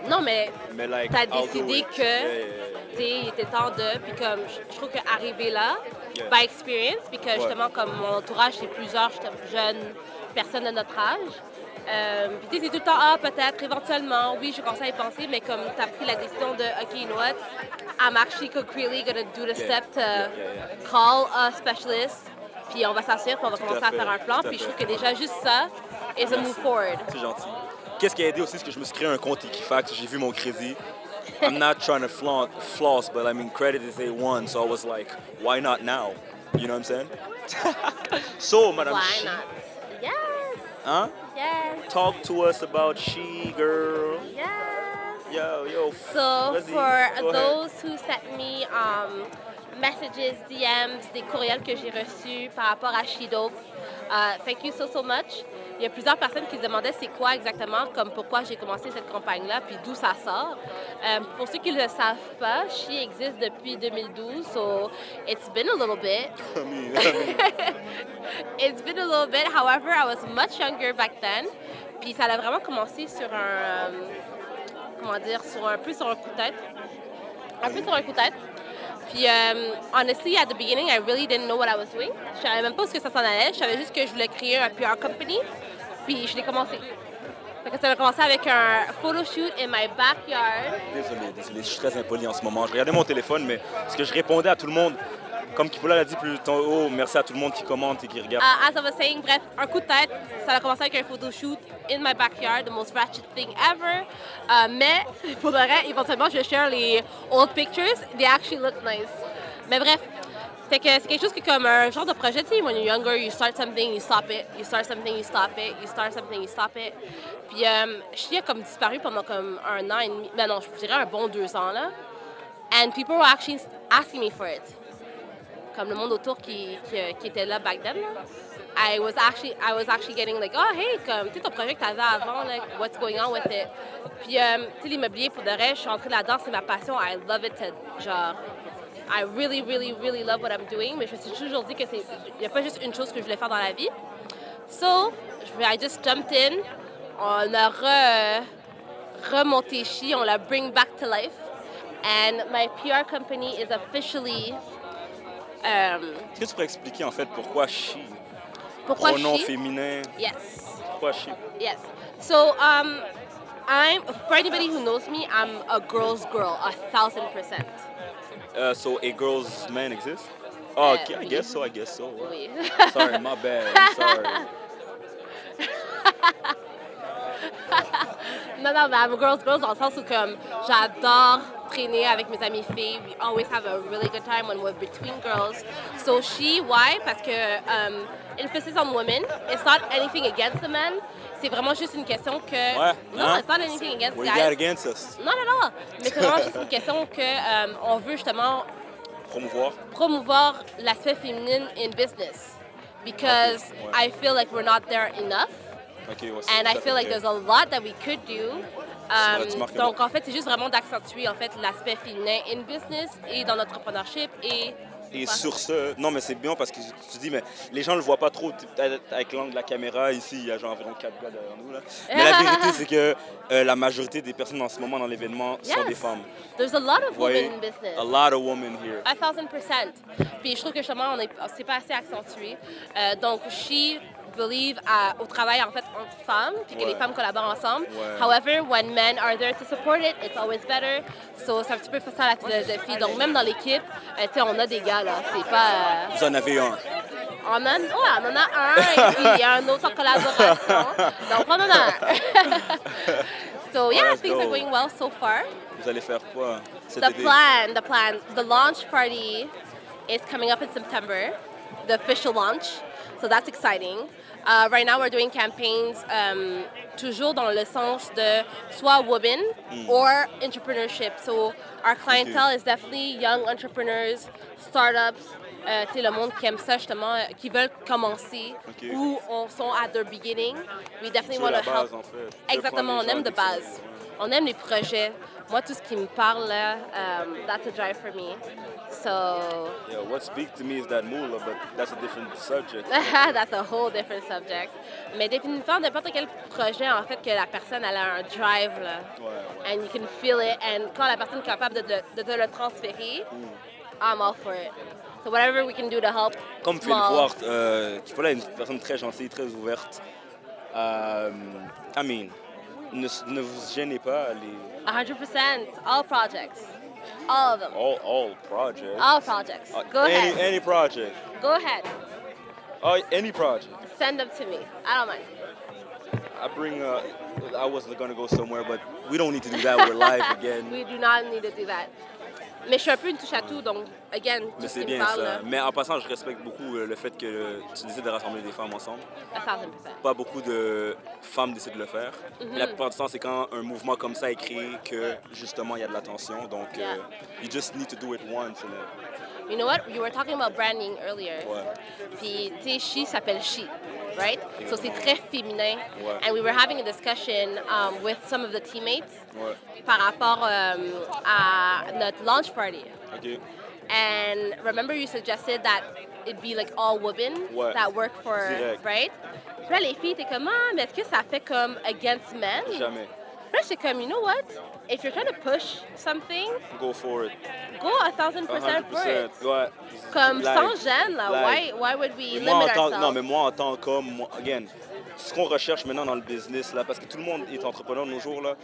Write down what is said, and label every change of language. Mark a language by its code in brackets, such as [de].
[fr] Non, mais like, t'as décidé que, tu sais, il était temps de, puis comme, je trouve qu'arriver là, [en] by experience, [fr] puis que justement, comme mon entourage, c'est plusieurs jeunes personnes de notre âge, puis tu sais, c'est tout le temps, ah, peut-être, éventuellement, oui, je commence à y penser, mais comme t'as pris la décision de, [en] OK, you know what, I'm actually concretely gonna do the step to call a specialist. [fr] Puis on va s'asseoir, puis on va commencer à faire un plan. Puis je trouve que déjà juste ça, [en] it's a move forward. [fr] C'est gentil. Qu'est-ce qui a aidé aussi, c'est que je me suis créé un compte Equifax. J'ai vu mon crédit. [en] I'm not trying to flaunt floss, but I mean, credit is A1. So I was like, why not now? You know what I'm saying? So, madame. Why she, not? Yes. Hein? Yes. Talk to us about she, girl. Yes. Yo, yo. [fr] So, vas-y, [en] for those who sent me, [fr] messages, DMs, des courriels que j'ai reçus par rapport à Shido. [en] Thank you so much. [fr] Il y a plusieurs personnes qui se demandaient c'est quoi exactement, comme pourquoi j'ai commencé cette campagne-là, puis d'où ça sort. Pour ceux qui ne le savent pas, She existe depuis 2012, [en] so it's been a little bit. It's been a little bit. However, I was much younger back then. [fr] Puis ça a vraiment commencé sur un, comment dire, sur un peu sur un coup de tête. Un peu sur un coup de tête. [en] Puis, honestly, at the beginning, I really didn't know what I was doing. [fr] Je savais même pas où ça s'en allait. Je savais juste que je voulais créer un PR company. Puis, je l'ai commencé. Fait que ça a commencé avec un photo shoot [en] in my backyard. [fr] Désolé, je suis très impoli en ce moment. Je regardais mon téléphone, mais ce que je répondais à tout le monde, comme Kipola l'a dit plus tôt, oh, merci à tout le monde qui commente et qui regarde. [en] As I was saying, [fr] bref, un coup de tête, ça a commencé avec un photo shoot [en] in my backyard, the most ratchet thing ever. [fr] Mais, pour le reste, éventuellement, je vais share les old pictures, [en] they actually look nice. [fr] Mais bref, c'est que c'est quelque chose qui est comme un genre de projet, tu sais, [en] when you're younger, you start something, you stop it, you start something, you stop it, you start something, you stop it. [fr] Puis, je suis comme disparu pendant comme un an et demi, mais non, je dirais un bon 2 ans, là. [en] And people were actually asking me for it. [fr] Comme le monde autour qui était là [en] back then. [fr] Là. [en] I was actually getting like, oh hey, [fr] comme, tu sais, ton projet que t'avais avant, like, [en] what's going on with it? [fr] Puis, tu sais, l'immobilier, pour de vrai, je suis entrée là-dedans, c'est ma passion. [en] I love it, genre, I really, really, really love what I'm doing. [fr] Mais je me suis toujours dit que c'est, y a pas juste une chose que je voulais faire dans la vie. [en] So, I just jumped in. [fr] On a remonté chi, on l'a [en] bring back to life. And my PR company is officially. [fr] Est-ce que tu pourrais expliquer en fait pourquoi she? Pourquoi pronom she? Féminin. [en] Yes. [fr] Pourquoi she? [en] Yes. So, I'm for anybody who knows me, I'm a girl's girl, 1000%. So a girl's man exists? Oh, okay, oui. I guess so. [fr] Oui. [en] Sorry, my bad. I'm sorry. [fr] Non, non, mais [en] I'm a girl's girl [fr] dans le sens où comme j'adore traîner avec mes amies filles. [en] We always have a really good time when we're between girls. So she, why? [fr] Parce que [en] emphasis on women. It's not anything against the men. [fr] C'est vraiment juste une question que... Ouais. Non, hein? [en] It's not anything against what guys. What you got against us? [fr] Non, non, non. Mais c'est vraiment juste une question que on veut justement... Promouvoir l'aspect féminin [en] in business. Because I feel like we're not there enough. Okay, well, and I feel like there's a lot that we could do. [fr] Donc bon. En fait, c'est juste vraiment d'accentuer en fait l'aspect féminin [en] in business [fr] et dans l'entrepreneurship et. Et voilà. Sur ce, non mais c'est bien parce que tu dis mais les gens le voient pas trop avec l'angle de la caméra ici. Il y a genre environ 4 gars derrière nous là. Mais la vérité c'est que la majorité des personnes en ce moment dans l'événement sont des femmes. [en] There's a lot of women in business. A lot of women here. 1000%. [fr] Puis je trouve que justement c'est pas assez accentué. Donc she. Believe au travail en fait entre femmes puis que les femmes collaborent ensemble. Ouais. [en] However, when men are there to support it, it's always better. [fr] So c'est un petit peu facile à la philosophie. Donc même dans l'équipe, tu sais, on a des gars là. C'est pas. Vous en avez un. On en a un et puis il y a un autre en collaboration. [en] Donc on en a. So yeah, things are going well so far. [fr] Vous allez faire quoi? [en] The plan, the launch party is coming up in September. The official launch. So that's exciting. Right now, we're doing campaigns [fr] toujours dans le sens de soit [en] women or entrepreneurship. So our clientele is definitely young entrepreneurs, startups, [fr] t'sais, le monde qui aime ça justement, qui veulent commencer ou on sont [en] à their beginning. We definitely want to help. [fr] En fait. Exactement, on aime de base. On aime les projets. Moi, tout ce qui me parle, [en] that's a drive for me. [fr] So. [en] Yeah, what speaks to me is that moolah, but that's a different subject. That's a whole different subject. [fr] Mais définitivement, n'importe quel projet, en fait, que la personne elle a un drive, là. Ouais, ouais. [en] And you can feel it. And [fr] quand la personne est capable de le transférer, [en] I'm all for it. So whatever we can do to help. [fr] Comme tu viens de voir, tu vois là, une personne très gentille, très ouverte. I mean, ne vous gênez pas. Les... [en] 100%. All projects. All of them. All projects. All projects. Go ahead. Any project. Go ahead. Any project. Send them to me. I don't mind. I bring. I wasn't gonna go somewhere, but we don't need to do that. We're live again. We do not need to do that. [fr] Mais je suis un peu une touche à tout, donc, again, tout mais c'est bien parle, ça. Là. Mais en passant, je respecte beaucoup le fait que tu décides de rassembler des femmes ensemble. 100%. Pas beaucoup de femmes décident de le faire. Mm-hmm. La plupart du temps, c'est quand un mouvement comme ça est créé que, justement, il y a de l'attention. [en] Donc, you just need to do it once. [fr] Là. [en] You know what? You were talking about branding earlier. [fr] Ouais. Puis, tu sais, she s'appelle she, right? Exactement. So, c'est très féminin. Ouais. [en] And we were having a discussion with some of the teammates. [fr] Ouais. Par rapport à notre launch party. [en] Okay. And remember you suggested that it'd be like all women [fr] ouais. [en] that work for, direct. Right? [fr] Puis là, les filles étaient comme, ah, mais est-ce que ça fait comme against men? Jamais. Puis là, c'est comme, [en] you know what? If you're trying to push something, go for it. Go 1000% for it. [fr] Ouais. Comme like, sans gêne, là. [en] Like, why would we limit ourselves? [fr] Non, mais moi, en tant qu'homme, again, ce qu'on recherche maintenant dans le business, là, parce que tout le monde est entrepreneur de nos jours, là.